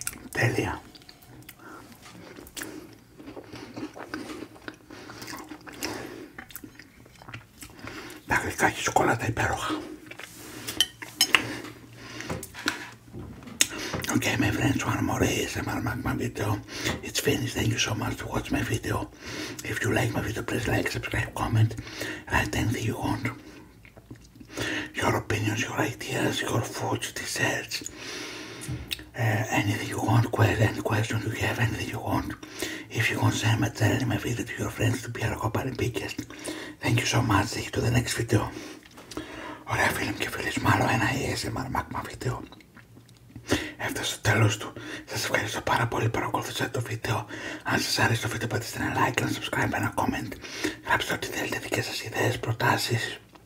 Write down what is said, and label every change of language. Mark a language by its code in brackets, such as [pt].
[el] Τέλεια. Τα γλυκά και η σοκολάτα υπέροχα. [en] Okay, my friends, one more is my video. It's finished. Thank you so much to watch my video. If you like my video, please like, subscribe, comment, write anything you want. Your opinions, your ideas, your food, desserts. Anything you want, any question you have, anything you want. If you want to send my video to your friends to be a copper and biggest. Thank you so much. See you to the next video. [el] Ωραία φίλοι μου και φίλες, μάλλον ένα ASMR magma video. Έφτασε το τέλος του. Σας ευχαριστώ πάρα πολύ που παρακολουθήσατε το βίντεο. Αν σας άρεσε το βίντεο, πατήστε ένα like, ένα subscribe, ένα comment. Γράψτε ό,τι θέλετε, δικές σας ιδέες, προτάσεις.